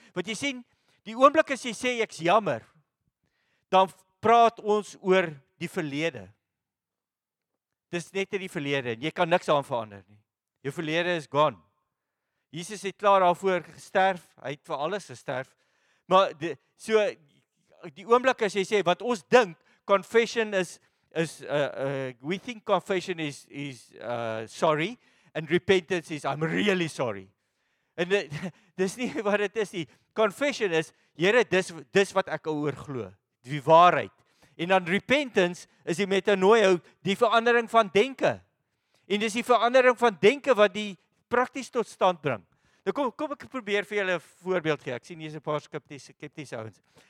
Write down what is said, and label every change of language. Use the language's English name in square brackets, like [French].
[Afrikaans] Want jy sien, die oomblik as jy sê ek's jammer, dan praat ons oor die verlede. Dis net in die verlede en jy kan niks aan verander nie. Jou verlede is gone. Jesus het klaar daarvoor gesterf, hy het vir alles gesterf. Maar die oomblik as jy sê, wat ons dink, [English] confession is we think confession is sorry, and repentance is I'm really sorry. [Afrikaans] En dis nie wat het is nie. Confession is, Here, dis wat ek oor glo, die waarheid. En dan repentance is die metanoia, die verandering van denke. En dis die verandering van denke wat die prakties tot stand bring. Nou kom ek probeer vir julle 'n voorbeeld gee. Ek sien hier's 'n paar skeptiese ouens.